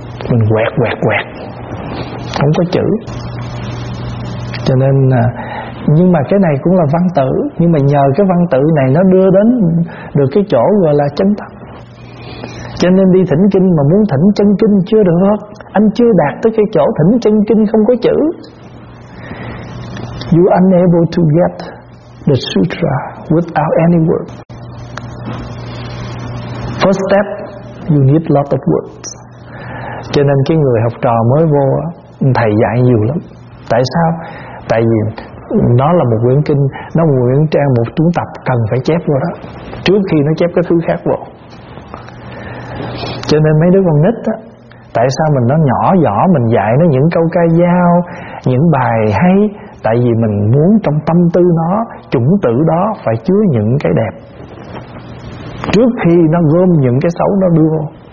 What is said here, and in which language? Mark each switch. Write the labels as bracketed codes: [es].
[vi] Mình quẹt quẹt quẹt, không có chữ. Cho nên, nhưng mà cái này cũng là văn tự, nhưng mà nhờ cái văn tự này nó đưa đến được cái chỗ gọi là chân tâm. Cho nên đi thỉnh kinh mà muốn thỉnh chân kinh chưa được, anh chưa đạt tới cái chỗ thỉnh chân kinh không có chữ. [en] You are unable to get the sutra without any word. First step, you need lot of words. [vi] Cho nên cái người học trò mới vô, thầy dạy nhiều lắm. Tại sao? Tại vì nó là một quyển kinh, nó một quyển trang, một cuốn tập cần phải chép vô đó trước khi nó chép cái thứ khác vô. Cho nên mấy đứa con nít á, tại sao mình nó nhỏ giỏ, mình dạy nó những câu ca dao, những bài hay, tại vì mình muốn trong tâm tư nó, chủng tử đó phải chứa những cái đẹp trước khi nó gom những cái xấu nó đưa vô.